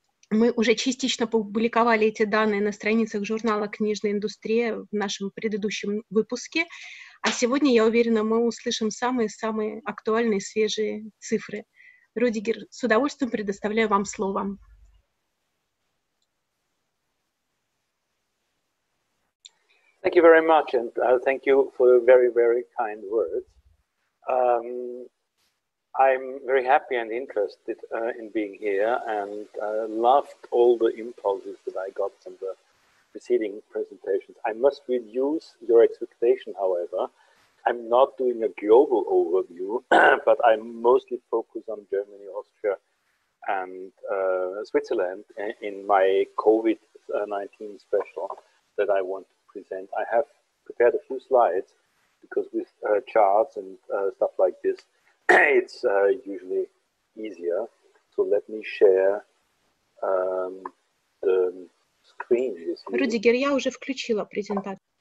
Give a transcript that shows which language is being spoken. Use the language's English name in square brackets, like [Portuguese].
[Russian] Мы уже частично публиковали эти данные на страницах журнала «Книжная индустрия» в нашем предыдущем выпуске. А сегодня, я уверена, мы услышим самые-самые актуальные свежие цифры. Рудигер, с удовольствием предоставляю вам слово. [English] Thank you very much, and thank you for the very, very kind words. I'm very happy and interested in being here, and loved all the impulses that I got from the preceding presentations. I must reduce your expectation, however. I'm not doing a global overview, but I mostly focus on Germany, Austria, and Switzerland in my COVID-19 special that I want to present. I have prepared a few slides because with charts and stuff like this, it's usually easier. So let me share the screen. [Russian] Рудигер, я уже включила презентацию.